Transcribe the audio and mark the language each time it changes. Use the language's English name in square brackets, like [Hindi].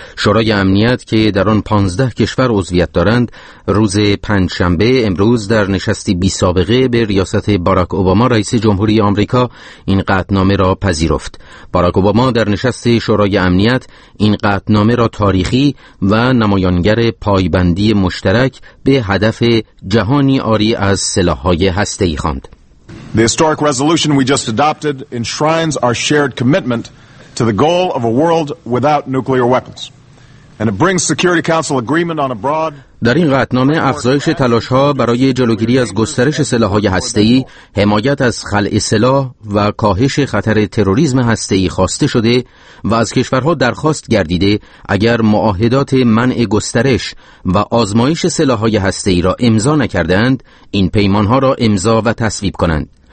[Persian] شورای امنیت که در آن 15 کشور عضویت دارند، روز پنجشنبه امروز در نشستی بی‌سابقه به ریاست باراک اوباما رئیس جمهوری آمریکا این قطعنامه را پذیرفت. باراک اوباما در نشست شورای امنیت این قطعنامه را تاریخی و نمایانگر پایبندی مشترک به هدف جهانی عاری از سلاح‌های هسته‌ای خواند. [English] The historic resolution we just adopted enshrines our shared commitment to the goal of a world without nuclear weapons. And it brings Security Council agreement on a broad. [Persian] در این قطعنامه افزایش تلاش‌ها برای جلوگیری از گسترش سلاح‌های هسته‌ای، حمایت از خلع سلاح و کاهش خطر تروریسم هسته‌ای خواسته شده و از کشورها درخواست گردیده اگر معاهدات منع گسترش و آزمایش سلاح‌های هسته‌ای را امضا نکردند، این پیمان‌ها را امضا و تصویب کنند.